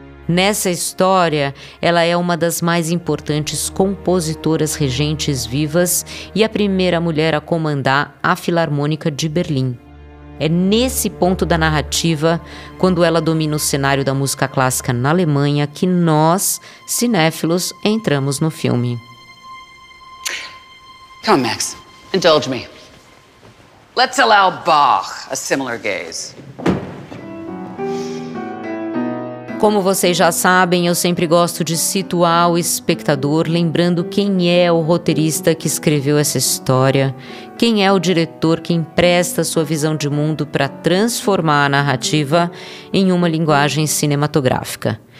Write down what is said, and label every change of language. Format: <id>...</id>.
<pt>Nessa história, ela é uma das mais importantes compositoras regentes vivas e a primeira mulher a comandar a Filarmônica de Berlim. É nesse ponto da narrativa, quando ela domina o cenário da música clássica na Alemanha, que nós, cinéfilos, entramos no filme.</pt> <en>Come, Max. Indulge me. Let's allow Bach a similar gaze.</en> <pt>Como vocês já sabem, eu sempre gosto de situar o espectador lembrando quem é o roteirista que escreveu essa história, quem é o diretor que empresta sua visão de mundo para transformar a narrativa em uma linguagem cinematográfica.</pt>